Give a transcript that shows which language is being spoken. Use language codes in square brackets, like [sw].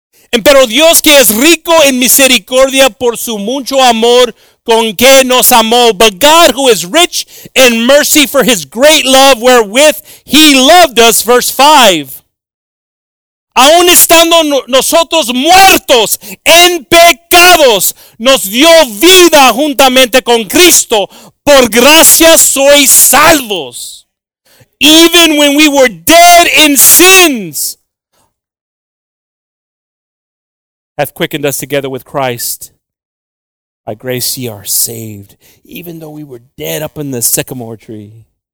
[es] Empero Dios, que es rico en misericordia por su mucho amor con que nos amó. [en] But God, who is rich in mercy for his great love wherewith he loved us, verse 5. [es] Aún estando nosotros muertos en pecados, nos dio vida juntamente con Cristo. Por gracia sois salvos. [en] Even when we were dead in sins, hath quickened us together with Christ. By grace ye are saved. Even though we were dead up in the sycamore tree.